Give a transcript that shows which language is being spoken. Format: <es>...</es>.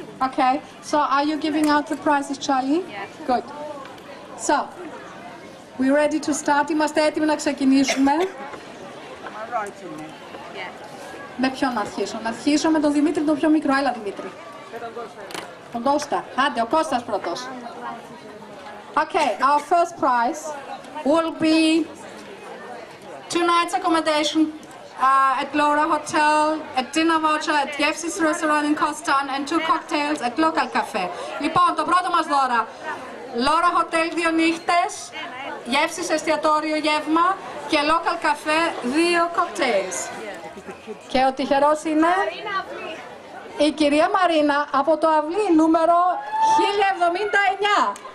<en>Okay, so are you giving out the prizes, Charlie? Yes. Good. So, we're ready to start.</en> <el>Είμαστε έτοιμοι να ξεκινήσουμε. Με ποιον να αρχίσω? Να αρχίσω με τον Δημήτρη, τον πιο μικρό. Έλα, Δημήτρη. Τον Κώστα. Άντε, ο Κώστας πρώτος.</el> <en>Okay, our first prize will be 2 nights accommodation at Laura Hotel, a dinner voucher at Yevsis Restaurant in Kostan, and 2 cocktails at Local Cafe.</en> <el>Λοιπόν, το πρώτο μας δώρα. Laura Hotel 2 νύχτες, Yevsis εστιατόριο γεύμα και Local Cafe 2 cocktails. Και ο τυχερός είναι η κυρία Μαρίνα από το αυλή νούμερο 1079.</el>